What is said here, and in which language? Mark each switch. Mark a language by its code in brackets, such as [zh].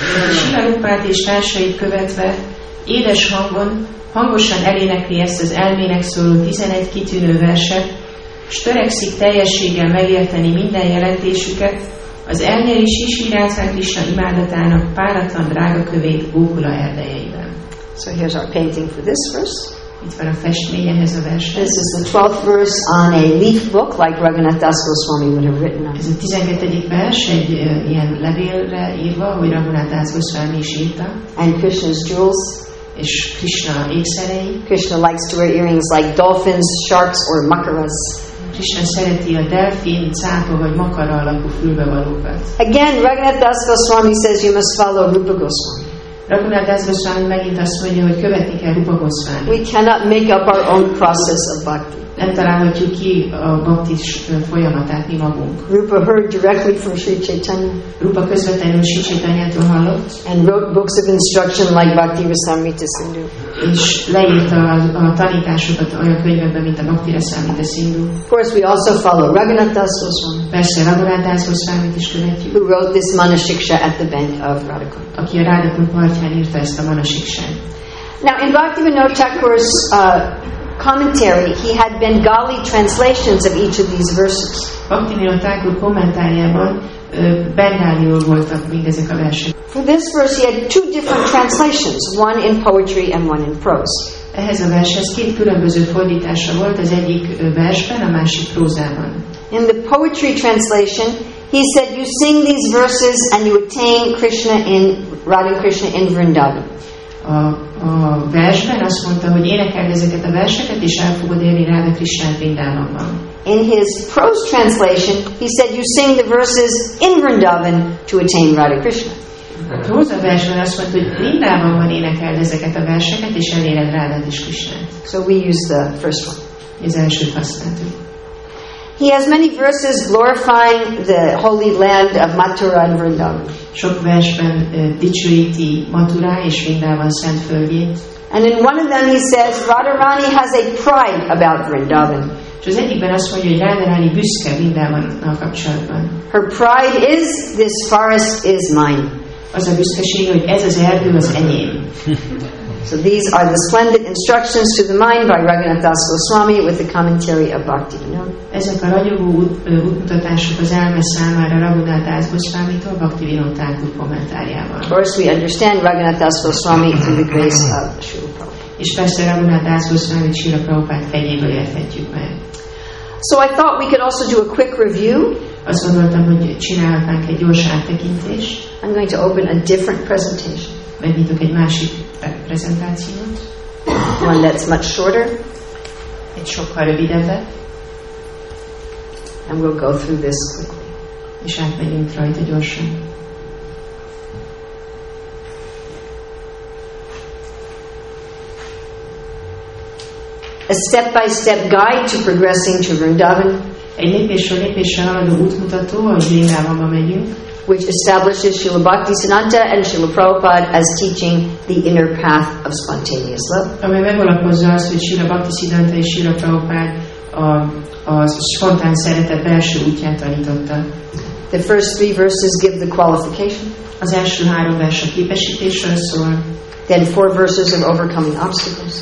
[hu] Srila Rupát és társait követve, édes hangon, hangosan elénekli ezt az elmének szóló 11 kitűnő verset, s törekszik teljességgel megérteni minden jelentésüket, az elnyelés is irányzán Krisna imádatának páratlan drága kövét Gókula erdejeiben. [en] So here's our painting for this verse. [hu] Itt van a festmény ehhez a verset. [en] This is the 12th verse on a leaf book, like Raghunath Das Goswami would have written on. [hu] Ez a 12. vers egy ilyen levélre írva, hogy Raghunath Das Goswami is írta. [en] And Krishna's jewels. [hu] És Krishna ékszerei. [en] Krishna likes to wear earrings like dolphins, sharks, or makaras. [hu] Krishna szereti a delfin, cápa vagy makara alakú fülbevalókat. [en] Again, Raghunath Das Goswami says you must follow Rupa Goswami. [hu] Raghunath Das Goswami megint azt mondja, hogy követni kell Rupa Goswami. [en] We cannot make up our own process of bhakti. [hu] Nem találhatjuk ki a bhakti folyamatát mi magunk. [en] Rupa heard directly from Sri Chaitanya. [hu] Rupa közvetlenül Sri Chaitanyától hallott. [en] And wrote books of instruction like Bhakti Rasamrita Sindhu. [hu] És leírta a tanításokat olyan könyvekben, mint a Bhakti Rasamrita Sindhu. [en] Of course we also follow Raghunath Das Goswami. [hu] Persze, Raghunath Das Goswamit is követjük. [en] Who wrote this Manashiksha at the bank of Radhakund. [hu] Aki a Radhakund partján írta ezt a Manashikshát. [en] Now in Bhaktivinoda Thakur's commentary, he had Bengali translations of each of these verses. [hu] Bhaktivinoda Thakur kommentárjában bengáliul voltak mindezek a versek. [en] For this verse, he had two different translations, one in poetry and one in prose. [hu] Ehhez a vershez két különböző fordítása volt, az egyik versben, a másik prózában. [en] In the poetry translation, he said, "You sing these verses and you attain Krishna in Radha Krishna in Vrindavan." [hu] A versben azt mondta, hogy énekeld ezeket a verseket, és el fogod érni Radha Krishnát Vrindavanban. [en] In his prose translation, he said, "You sing the verses in Vrindavan to attain Radha Krishna." [hu] A próza versben azt mondta, hogy Vrindavanban énekeld ezeket a verseket, és eléred Radha Krishnát. [en] So we use the first one. [hu] Az elsőt használtuk. [en] He has many verses glorifying the holy land of Mathura and Vrindavan. [hu] Sok versben dicsőíti Mathura és Vrindavan szent földjét. [en] And in one of them he says Radharani has a pride about Vrindavan. [hu] És az egyikben azt mondja, hogy Radharani büszke Vrindavannal kapcsolatban. [en] Her pride is this forest is mine. [hu] Az a büszkesége, hogy ez az erdő az enyém. [en] So these are the splendid instructions to the mind by Raghunath Das Goswami with the commentary of Bhaktivinoda. [hu] Ezek a ragyogó útmutatások az elme számára Raghunath Das Goswamitól Bhaktivinoda Thakur kommentárjával. [en] Of course we understand Raghunath Das Goswami through the grace of Srila Prabhupada. [hu] És persze Raghunath Das Goswamit Srila Prabhupada fejéből érthetjük meg. [en] So I thought we could also do a quick review. [hu] Azt gondoltam, hogy csinálhatnánk egy gyors áttekintést. [en] I'm going to open a different presentation. [hu] Megnyitok egy másik presentációt. [en] One that's much shorter. [hu] Egy sokkal rövidebbet. [en] And we'll go through this quickly. [hu] És átmegyünk rajta gyorsan. [en] A step-by-step guide to progressing to Vrindavan. [hu] Egy lépésről lépésre haladó útmutató, ahogy Vrindavanba megyünk. [en] Which establishes Srila Bhaktisiddhanta and Srila Prabhupada as teaching the inner path of spontaneous love. [hu] Ami megalapozza azt, hogy Srila Bhaktisiddhanta és Srila Prabhupada a spontán szeretet belső útját tanította. [en] The first three verses give the qualification. [hu] Az első három vers a képesítésről szól. [en] Then four verses of overcoming obstacles.